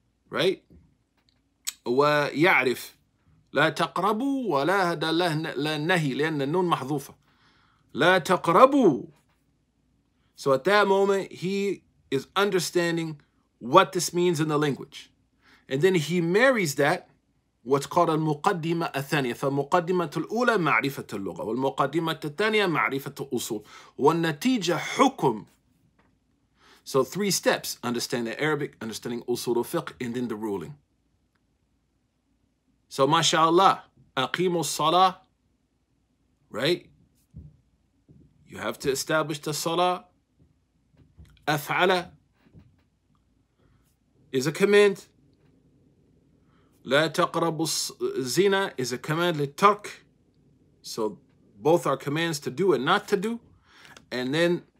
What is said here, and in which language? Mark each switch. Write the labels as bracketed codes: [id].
[ar] Right, ويعرف لا تقربوا ولا هذا لا نهي لأن النون محذوفة لا تقربوا. [en] So at that moment he is understanding what this means in the language, and then he marries that what's called [ar] المقدمة الثانية. فمقدمة الأولى معرفة اللغة والمقدمة الثانية معرفة الأصول والنتيجة حكم. [en] So three steps: understanding Arabic, understanding أصول الفقه, and then the ruling. [ar] So ما شاء الله أقيم الصلاة, right? [en] You have to establish the صلاة. أفعل is a command. [ar] لا تقرب الزنا [en] is a command للترك. So both are commands to do and not to do. And then